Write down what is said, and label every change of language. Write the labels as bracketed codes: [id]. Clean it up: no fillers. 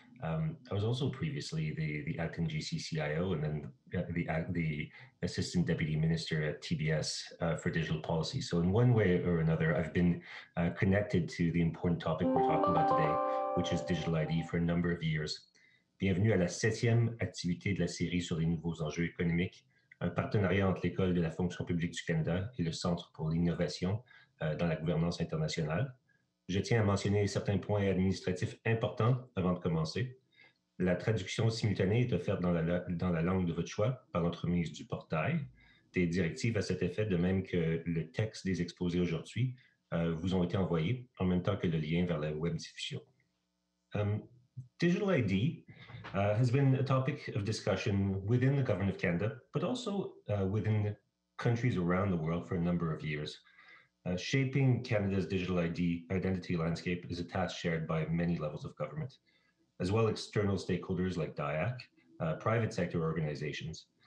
[en] I was also previously the Acting GCCIO and then the Assistant Deputy Minister at TBS for Digital Policy. So in one way or another, I've been connected to the important topic we're talking about today, which is digital ID for a number of years. [fr] Bienvenue à la septième activité de la série sur les nouveaux enjeux économiques. Un partenariat entre l'École de la fonction publique du Canada et le Centre pour l'innovation dans la gouvernance internationale. Je tiens à mentionner certains points administratifs importants avant de commencer. La traduction simultanée est offerte dans la langue de votre choix par l'entremise du portail. Des directives à cet effet, de même que le texte des exposés aujourd'hui, vous ont été envoyées en même temps que le lien vers la webdiffusion. [en] Digital ID has been a topic of discussion within the Government of Canada, but also within countries around the world for a number of years. Shaping Canada's digital ID identity landscape is a task shared by many levels of government, as well as external stakeholders like DIACC, private sector organizations.